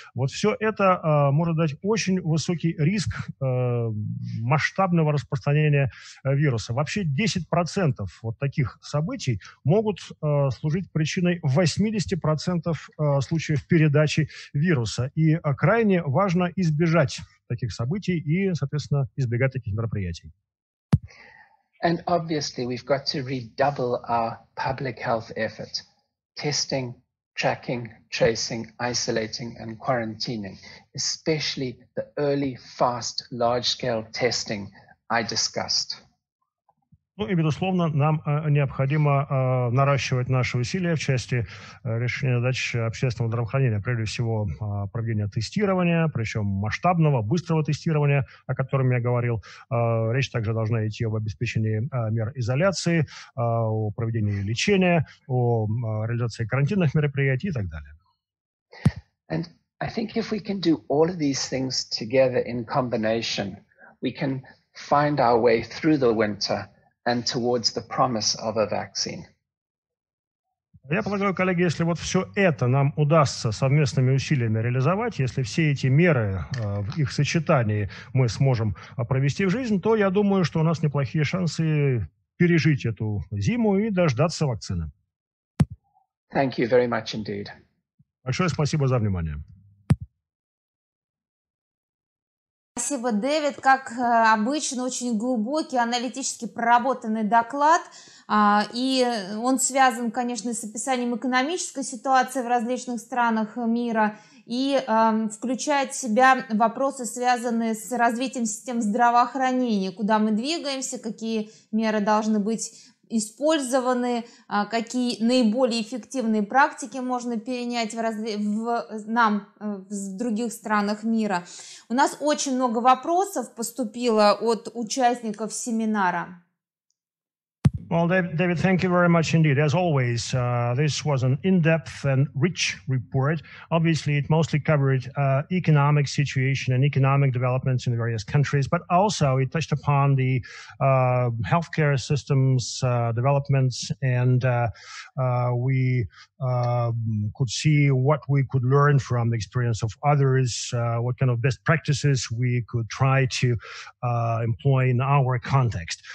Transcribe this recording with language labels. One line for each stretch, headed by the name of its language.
Russian: Вот все это может дать очень высокий риск масштабного распространения вируса. Вообще 10% вот таких событий могут служить причиной 80% случаев передачи вируса. И крайне важно избежать таких событий и, соответственно, избегать таких мероприятий.
English: And obviously, we've got to redouble our public health efforts, testing, tracking, tracing, isolating, and quarantining, especially the early, fast, large-scale testing I discussed.
Russian: Ну и, безусловно, нам необходимо наращивать наши усилия в части решения задач общественного здравоохранения, прежде всего проведения тестирования, причем масштабного, быстрого тестирования, о котором я говорил. Речь также должна идти об обеспечении мер изоляции, о проведении лечения, о реализации карантинных мероприятий и так далее.
English: And I think if we can do all of these things together in combination, we can find our way through the winter and towards the promise of a vaccine.
Russian: Я полагаю, коллеги, если вот все это нам удастся совместными усилиями реализовать, если все эти меры в их сочетании мы сможем провести в жизнь, то я думаю, что у нас неплохие шансы пережить эту зиму и дождаться вакцины.
English: Thank you very much indeed.
Russian: Большое спасибо за внимание. Спасибо, Дэвид. Как обычно, очень глубокий, аналитически проработанный доклад. И он связан, конечно, с описанием экономической ситуации в различных странах мира и включает в себя вопросы, связанные с развитием систем здравоохранения, куда мы двигаемся, какие меры должны быть использованы, какие наиболее эффективные практики можно перенять в других странах мира. У нас очень много вопросов поступило от участников семинара.
English: Well, David, thank you very much indeed. As always, this was an in-depth and rich report. Obviously, it mostly covered economic situation and economic developments in the various countries, but also it touched upon the healthcare systems developments, and we could see what we could learn from the experience of others, what kind of best practices we could try to employ in our context.